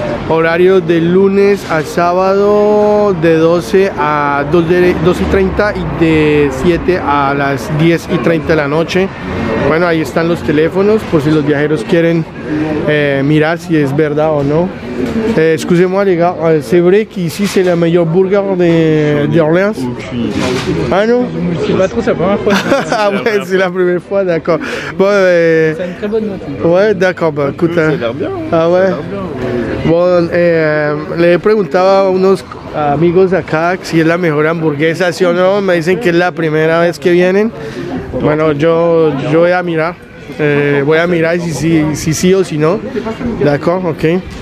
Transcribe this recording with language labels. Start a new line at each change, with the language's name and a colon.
Spanish: Horario de lunes a sábado de 12 a 12:30 y de 7 a las 10:30 de la noche. Bueno, ahí están los teléfonos por si los viajeros quieren mirar si es verdad o no.
French: Excusez-moi, les gars, c'est vrai qu'ici c'est la meilleure burger d'Orléans. Ah non? C'est pas trop, c'est la première fois. Ah ouais, c'est la première fois, d'accord. Bon, c'est une très bonne note. Ouais, d'accord, bah écoute. Ça a l'air bien. Ah ouais?
Spanish: Bueno, le he preguntado a unos amigos acá si es la mejor hamburguesa, sí o no. Me dicen que es la primera vez que vienen. Bueno, yo voy a mirar. Voy a mirar si sí o si no.
French: D'accord, ok.